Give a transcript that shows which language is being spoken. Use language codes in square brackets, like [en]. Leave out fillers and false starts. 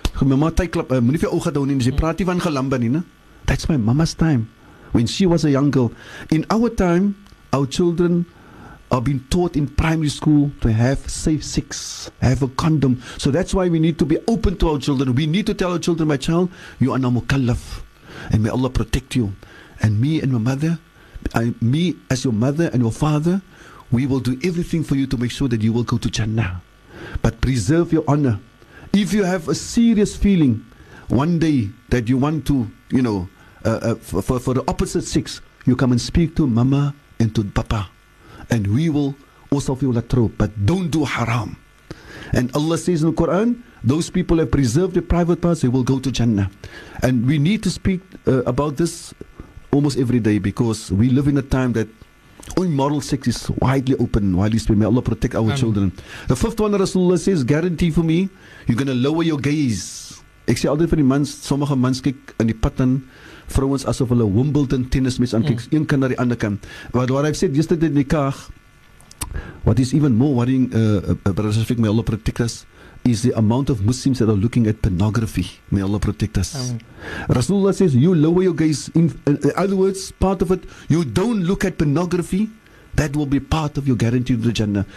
[af] Mama, moet nie vir jou oog hou nie, sy praat nie van gelamba nie, ne? [en] That's my mama's time, when she was a young girl. In our time, our children are being taught in primary school to have safe sex, have a condom. So that's why we need to be open to our children. We need to tell our children, my child, you are now mukallaf, and may Allah protect you. And me and my mother, me as your mother and your father, we will do everything for you to make sure that you will go to Jannah. But preserve your honor. If you have a serious feeling one day that you want to, you know, for the opposite sex, you come and speak to mama and to papa. And we will also feel that true. But don't do haram. And Allah says in the Quran, those people have preserved their private parts, they will go to Jannah. And we need to speak about this almost every day, because we live in a time that immoral sex is widely open. May Allah protect our children. The fifth one, Rasulullah says, guarantee for me, you're going to lower your gaze. [af] Ek sê altyd vir die mans, sommige mans kyk in die pad aan vrouens asof hulle Wimbledon tennis mes aankyk, een kan na die ander kan. Waar hy sê, [en] yesterday [af] in die kaag, [en] what is even more worrying, brothers and sisters, may Allah protect us, is the amount of Muslims that are looking at pornography. May Allah protect us. Rasulullah says, you lower your gaze, in other words, part of it, you don't look at pornography, that will be part of your guarantee to the Jannah.